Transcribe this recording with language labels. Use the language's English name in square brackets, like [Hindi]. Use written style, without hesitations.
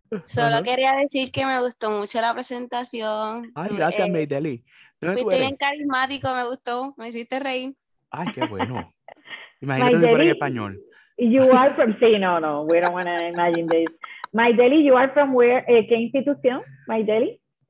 [Spanish] Solo quería decir que me gustó mucho la presentación. Ay, gracias, Maydeli. Fuiste bien carismático, me gustó. Me hiciste reír. Ay, qué bueno. Imagínate si fuera en español. [English] You are from... [Spanish] Sí, no, no. [English] We don't want to imagine this. Maydeli, you are from where? [Spanish] ¿Qué institución, Maydeli?